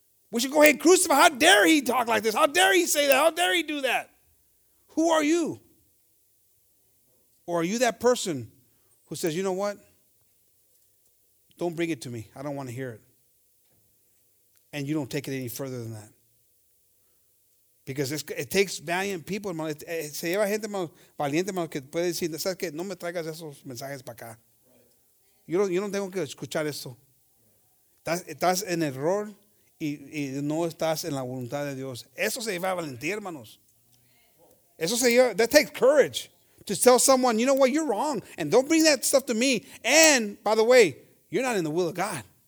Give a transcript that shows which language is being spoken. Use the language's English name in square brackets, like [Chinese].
[English] We should go ahead and crucify. How dare he talk like this? How dare he say that? How dare he do that? Who are you? Or are you that person who says, you know what? Don't bring it to me. I don't want to hear it. And you don't take it any further than that. Because it takes valiant people, hermano. [Spanish] Se lleva gente valiente, hermano, que puede decir, ¿sabes qué? No me traigas esos mensajes para acá. Yo no tengo que escuchar eso. Estás en error. Y no estás en la voluntad de Dios. Eso se lleva valentía, hermanos. Eso se lleva, [English] that takes courage to tell someone, you know what, you're wrong. And don't bring that stuff to me. And, by the way, you're not in the will of God.